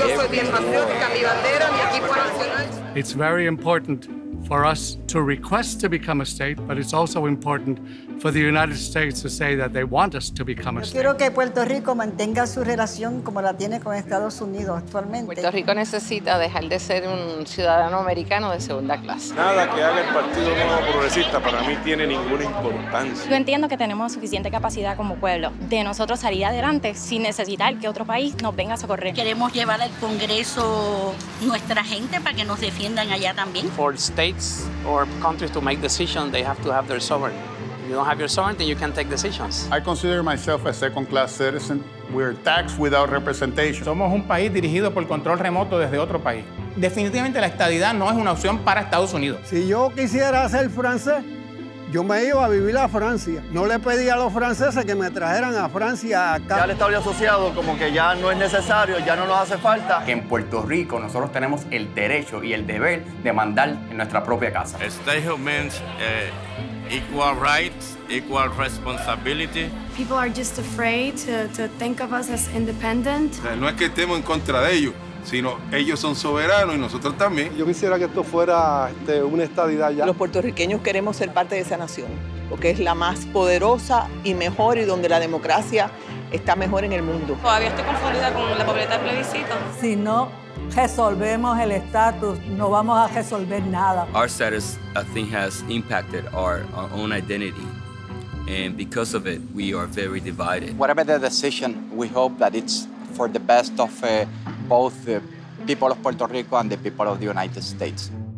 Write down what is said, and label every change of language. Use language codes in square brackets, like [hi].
[en] It's very important for us to request to become a state, but it's also important for the United States to say that they want us to become a state. [es] Yo quiero que Puerto Rico mantenga su relación como la tiene con Estados Unidos actualmente. Puerto Rico necesita dejar de ser un ciudadano americano de segunda clase. Nada que haga el Partido Nuevo Progresista para mí tiene ninguna importancia. Yo entiendo que tenemos suficiente capacidad como pueblo de nosotros salir adelante sin necesitar que otro país nos venga a socorrer. Queremos llevar al Congreso nuestra gente para que nos defiendan allá también. [en] For states or countries to make decisions, they have to have their sovereignty. If you don't have your sovereignty, you can't take decisions. I consider myself a second-class citizen. We're taxed without representation. [es] Somos un país dirigido por control remoto desde otro país. Definitivamente, la estadidad no es una opción para Estados Unidos. Si yo quisiera ser francés, yo me iba a vivir a Francia. No le pedí a los franceses que me trajeran a Francia acá. Ya el Estado asociado como que ya no es necesario, ya no nos hace falta. Que en Puerto Rico nosotros tenemos el derecho y el deber de mandar en nuestra propia casa. [en] Statehood means equal rights, equal responsibility. People are just afraid to think of us as independent. [es] No es que estemos en contra de ellos, sino ellos son soberanos y nosotros también. Yo quisiera que esto fuera una estadidad ya. Los puertorriqueños queremos ser parte de esa nación, porque es la más poderosa y mejor y donde la democracia está mejor en el mundo. Todavía estoy confundida con la pobreza del plebiscito. Si no resolvemos el estatus, no vamos a resolver nada. [en] Our status, I think, has impacted our own identity. And because of it, we are very divided. Whatever the decision, we hope that it's for the best of both the people of Puerto Rico and the people of the United States.